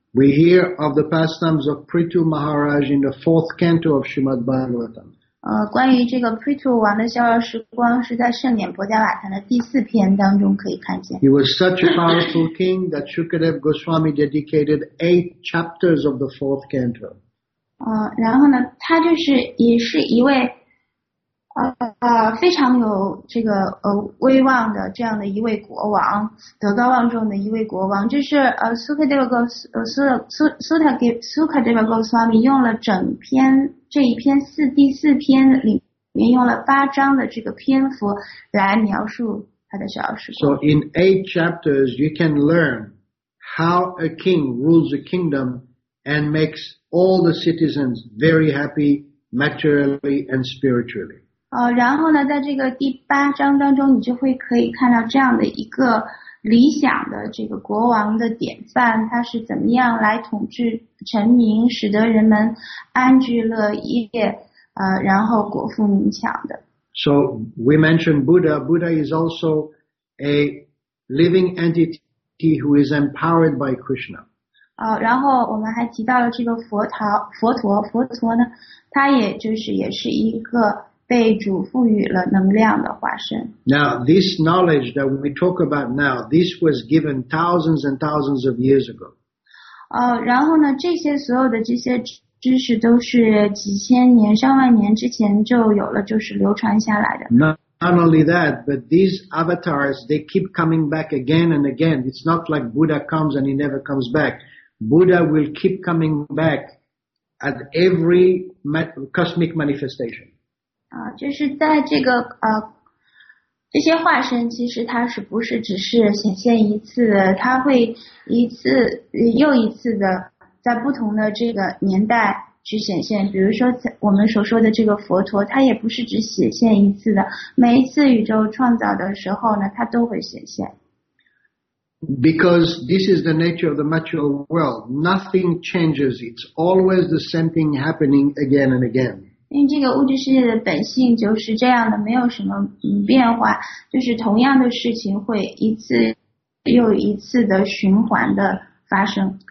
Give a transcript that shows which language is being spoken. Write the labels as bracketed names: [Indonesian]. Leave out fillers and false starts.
[English] We hear of the pastimes of Prithu Maharaj in the fourth canto of Srimad Bhagavatam. [Chinese] 关于这个 Prithu 王的逍遥时光是在圣典博迦瓦坛的第四篇当中可以看见。 [English] He was such a powerful king that Shukadev Goswami dedicated 8 chapters of the fourth canto. [Chinese] 然后呢，他就是也是一位非常有这个威望的这样的一位国王，德高望重的一位国王，就是Shukadev Goswami 用了整篇这一篇第四篇里面用了八章的这个篇幅来描述他的小时光。 [English] So in 8 chapters, you can learn how a king rules a kingdom and makes all the citizens very happy materially and spiritually. [Chinese] 然后呢，在这个第八章当中，你就会可以看到这样的一个理想的这个国王的典范，他是怎么样来统治臣民，使得人们安居乐业，然后国富民强的。 [English] So we mentioned Buddha. Buddha is also a living entity who is empowered by Krishna. [Chinese] 然后我们还提到了这个佛陀呢，他也是一个。被主赋予了能量的化身。 [English] Now, this knowledge that we talk about now, this was given thousands and thousands of years ago. [Chinese] 然后呢，这些所有的这些知识都是几千年、上万年之前就有了，就是流传下来的。 [English] Not only that, but these avatars, they keep coming back again and again. It's not like Buddha comes and he never comes back. Buddha will keep coming back at every cosmic manifestation. [Chinese] 就是在这个这些化身其实它是不是只是显现一次的，它会一次又一次的在不同的这个年代去显现。比如说我们所说的这个佛陀，它也不是只显现一次的，每一次宇宙创造的时候呢，它都会显现。 [English] Because this is the nature of the material world, nothing changes. It's always the same thing happening again and again. [Chinese] 因为这个物质世界的本性就是这样的，没有什么变化，就是同样的事情会一次又一次的循环的发生。